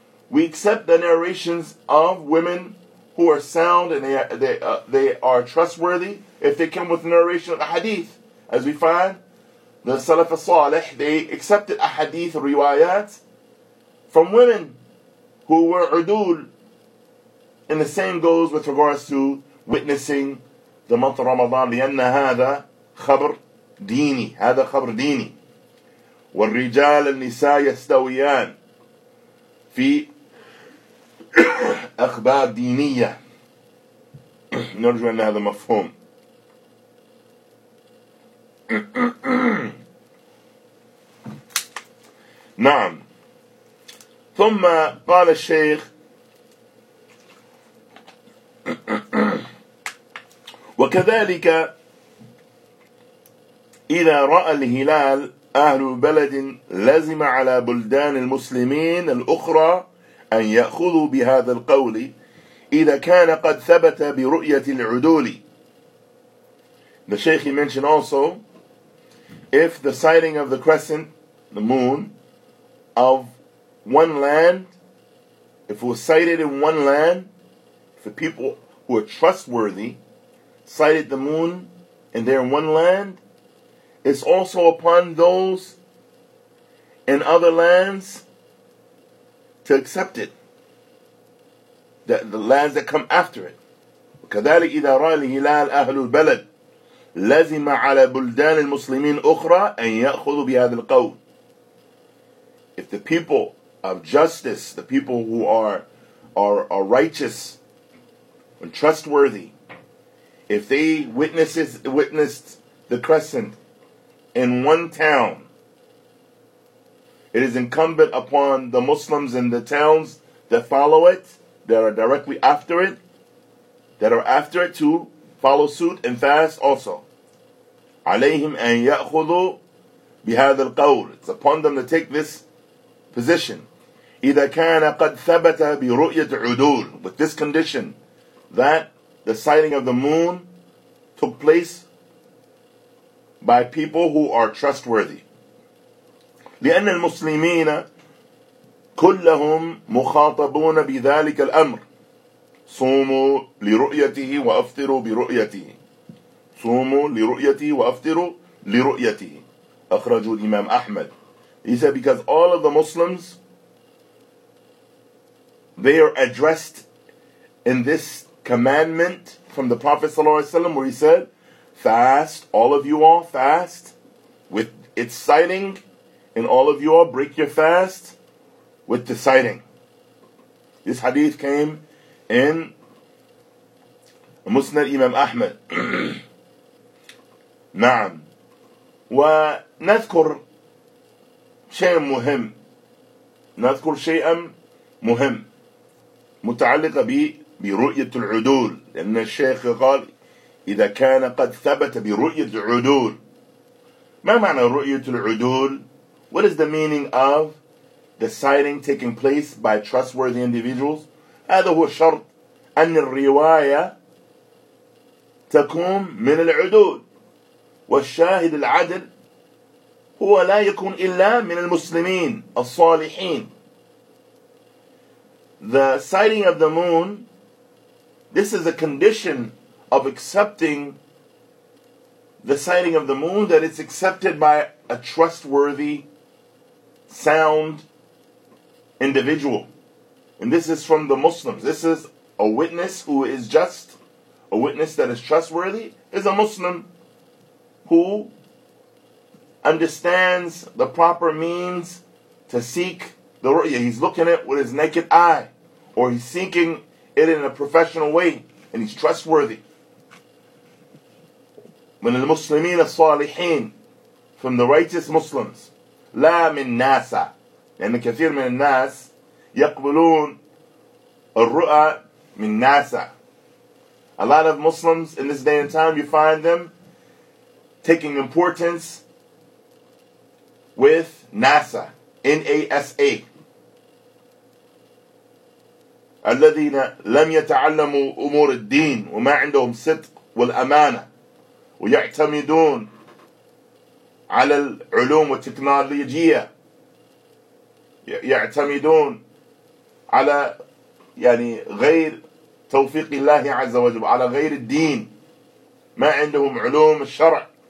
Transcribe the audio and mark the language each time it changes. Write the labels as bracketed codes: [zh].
[en] We accept the narrations of women who are sound and they are trustworthy if they come with narration of a hadith. As we find, the Salaf al-Salih, they accepted a hadith, riwayat, from women who were udul. And the same goes with regards to witnessing the month of Ramadan. [ar] لِأَنَّ هَذَا خَبْر دِينِ هَذَا خَبْر دِينِ وَالرِّجَالَ النِّسَاءَ يَسْتَوِيَانِ فِي أَخْبَارِ دِينِيَّةِ نرجو أن هذا مفهوم. نعم. ثم قال الشيخ وكذلك إذا رأى الهلال أهل بلد لزم على بلدان المسلمين الأخرى أن يأخذوا بهذا القول إذا كان قد ثبت برؤية العدول. [en] The Sheikh mentioned also, if the sighting of the crescent, the moon, of one land, if it was sighted in one land, if the people who are trustworthy sighted the moon and they're in one land, it's also upon those in other lands to accept it. The lands that come after it. [ar] كذلك إذا رأى الهلال أهل البلد لزم على بلدان المسلمين أخرى أن يأخذوا بهذا القول. [en] If the people of justice, the people who are righteous and trustworthy, if they witnessed the crescent in one town, it is incumbent upon the Muslims in the towns that follow it, that are directly after it, that are after it, to follow suit and fast also. [ar] عليهم أن يأخذوا بهذا القول. [en] It's upon them to take this position. [ar] إذا كان قد ثبت برؤية عدول. [en] With this condition, that the sighting of the moon took place by people who are trustworthy. [ar] لأن المسلمين كلهم مخاطبون بذلك الأمر. صوموا لرؤيته وأفطروا برؤيته. صوموا لرؤيته وأفطروا لرؤيته. أخرجوا الإمام أحمد. [en] He said, because all of the Muslims, they are addressed in this commandment from the Prophet ﷺ, where he said, fast, all of you all fast, with its sighting, and all of you all break your fast with the sighting. This hadith came in Musnad Imam Ahmad. [ar] نعم. ونذكر شيئا مهم. نذكر شيئا مهم متعلق برؤية العدول. لأن الشيخ قال إذا كان قد ثبت برؤية العدول. ما معنى رؤية العدول [en] What is the meaning of the sighting taking place by trustworthy individuals? [ar] هذا هو شرط أن الرواية تكون من العدول والشاهد العدل هو لا يكون إلا من المسلمين الصالحين. [en] The sighting of the moon, this is a condition of accepting the sighting of the moon, that it's accepted by a trustworthy, sound individual. And this is from the Muslims. This is a witness who is just, a witness that is trustworthy, is a Muslim who understands the proper means to seek the ru'ya. He's looking at it with his naked eye, or he's seeking it in a professional way, and he's trustworthy. [ar] من المسلمين الصالحين, [en] from the righteous Muslims, [ar] لا من ناسا, لأن كثير من الناس يقبلون الرؤى من ناسا. [en] A lot of Muslims in this day and time, you find them taking importance with NASA, NASA. [ar] الذين لم يتعلموا أمور الدين وما عندهم صدق والأمانة ويعتمدون على العلوم والتكنولوجيا يعتمدون على يعني غير توفيق الله عز وجل على غير الدين ما عندهم علوم الشرع.